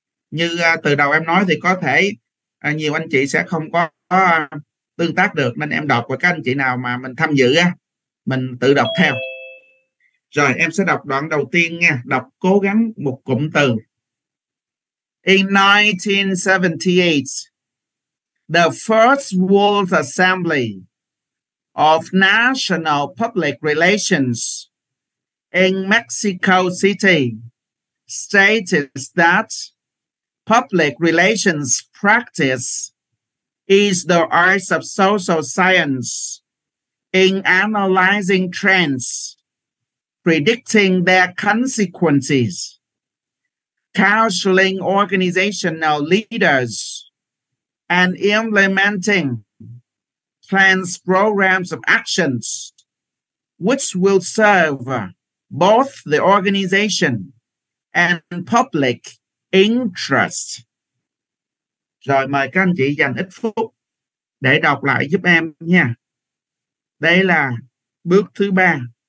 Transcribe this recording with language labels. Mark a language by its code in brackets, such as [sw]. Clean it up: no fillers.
[vi] Như từ đầu em nói thì có thể nhiều anh chị sẽ không có tương tác được, nên em đọc, và các anh chị nào mà mình tham dự mình tự đọc theo. Rồi em sẽ đọc đoạn đầu tiên nha, đọc cố gắng một cụm từ. [en] In 1978, the first World Assembly of National Public Relations in Mexico City states that public relations practice is the art of social science in analyzing trends, predicting their consequences, counseling organizational leaders, and implementing plans, programs of actions, which will serve both the organization and public interest. [vi] Rồi mời các anh chị dành ít phút để đọc lại giúp em nha. Đây là bước thứ ba.